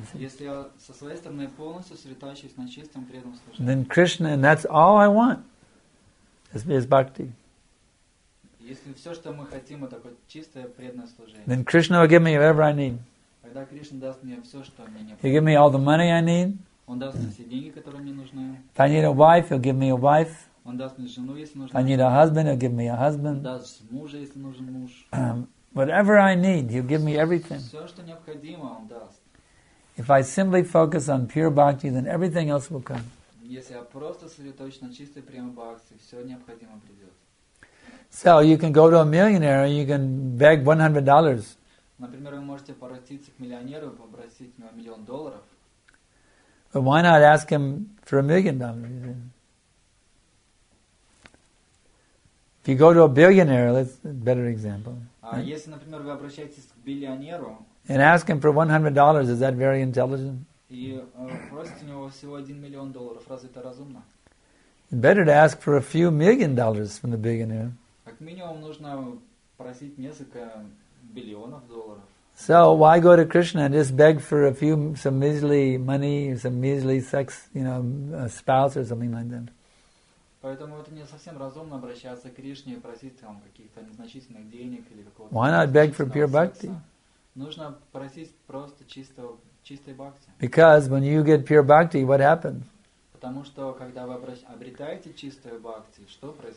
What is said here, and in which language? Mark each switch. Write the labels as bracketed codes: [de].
[ru] если я со своей стороны полностью сосредоточусь на чистом преданном служении, [en] then Krishna, and that's all I want, is bhakti. [ru] Если все, что мы хотим, это чистое преданное служение, [en] then Krishna will give me whatever I need. [ru] Тогда Кришна даст мне все, что мне необходимо. [en] He'll give me all the money I need. [ru] Он даст мне все деньги, которые мне нужны. [en] If I need a wife, he'll give me a wife. [ru] Он даст мне жену, если нужно. [en] If I need a husband, he'll give me a husband. [ru] Он даст мужа, если нужен муж. [en] Whatever I need, he'll give me everything. [ru] Все, что необходимо, он даст. [en] If I simply focus on pure bhakti, then everything else will come. [ru] Если я просто сосредоточен на чистой прямой бхакти, все необходимое придет. [en] So you can go to a millionaire and you can beg $100. [ru] Например, вы можете обратиться к миллионеру и попросить на миллион долларов. [en] But why not ask him for $1 million? If you go to a billionaire, that's a better example. [ru] Если, например, вы обращаетесь к миллионеру, [en] and ask him for $100, is that very intelligent? [ru] И просите у него всего $1 million, разве это разумно? [en] Better to ask for a few $1 million from the billionaire. [ru] Как минимум нужно просить несколько миллионов долларов. [en] So why go to Krishna and just beg for a few, some measly money, some measly sex, you know, a spouse or something like that? [ru] Поэтому это не совсем разумно обращаться к Кришне и просить там каких-то незначительных денег или какого-то. [en] Why not beg for pure bhakti? [ru] Нужно просить просто чистой бхакти. [en] Because when you get pure bhakti, what happens? [ru] Потому что когда вы обретаете чистую бхакти, что происходит?